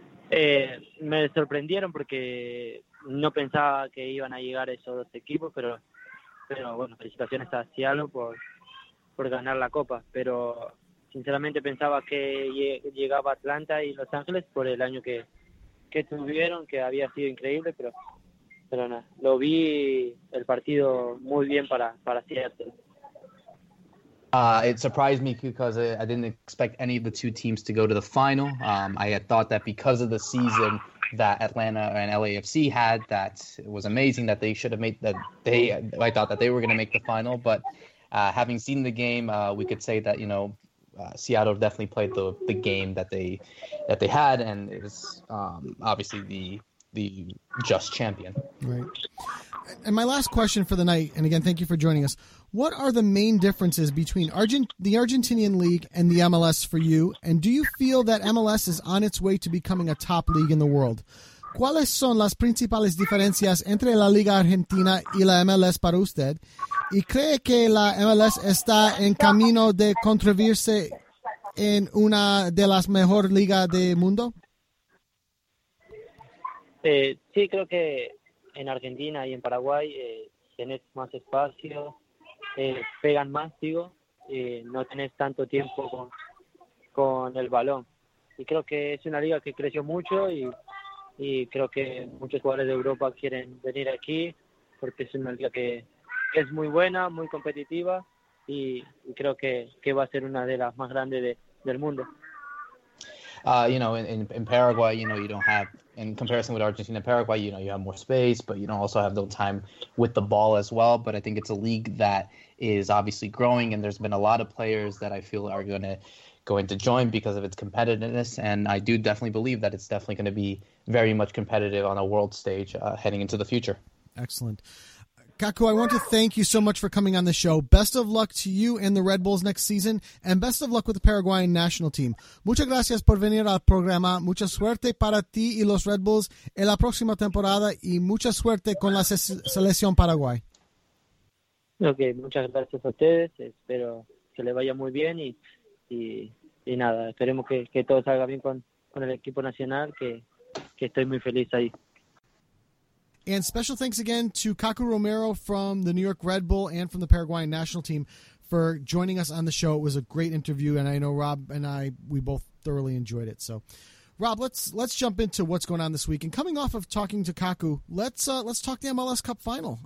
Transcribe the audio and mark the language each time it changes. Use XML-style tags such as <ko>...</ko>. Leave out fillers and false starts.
<es>Me sorprendieron porque no pensaba que iban a llegar esos dos equipos, pero bueno, felicitaciones a Seattle por ganar la Copa. Pero sinceramente pensaba que llegaba Atlanta y Los Ángeles por el año que tuvieron, que había sido increíble, pero nada, lo vi el partido muy bien para Seattle.</es> <en>It surprised me because I didn't expect any of the two teams to go to the final. I had thought that because of the season that Atlanta and LAFC had, that it was amazing that they should have made that. I thought that they were going to make the final. But having seen the game, we could say that, you know, Seattle definitely played the game that they had, and it was obviously the just champion. Right. And my last question for the night, and again, thank you for joining us. What are the main differences between the Argentinian League and the MLS for you? And do you feel that MLS is on its way to becoming a top league in the world?</en> <es>¿Cuáles son las principales diferencias entre la Liga Argentina y la MLS para usted? ¿Y cree que la MLS está en camino de convertirse en una de las mejores ligas del mundo? Sí, creo que en Argentina y en Paraguay tenés más espacio, pegan más, digo, no tenés tanto tiempo con el balón. Y creo que es una liga que creció mucho y creo que muchos jugadores de Europa quieren venir aquí porque es una liga que es muy buena, muy competitiva y creo que va a ser una de las más grandes del mundo.</es> <en>You know, in Paraguay, you know, you don't have, in comparison with Argentina, Paraguay, you know, you have more space, but you don't also have the time with the ball as well. But I think it's a league that is obviously growing, and there's been a lot of players that I feel are going to join because of its competitiveness. And I do definitely believe that it's definitely going to be very much competitive on a world stage heading into the future. Excellent. Kaku, I want to thank you so much for coming on the show. Best of luck to you and the Red Bulls next season, and best of luck with the Paraguayan national team.</en> <es>Muchas gracias por venir al programa. Mucha suerte para ti y los Red Bulls en la próxima temporada, y mucha suerte con la selección Paraguay. Ok, muchas gracias a ustedes. Espero que le vaya muy bien y nada, esperemos que todo salga bien con el equipo nacional, que estoy muy feliz ahí.</es> <en>And special thanks again to Kaku Romero from the New York Red Bull and from the Paraguayan national team for joining us on the show. It was a great interview, and I know Rob and I, we both thoroughly enjoyed it. So, Rob, let's jump into what's going on this week. And coming off of talking to Kaku, let's talk the MLS Cup Final.</en>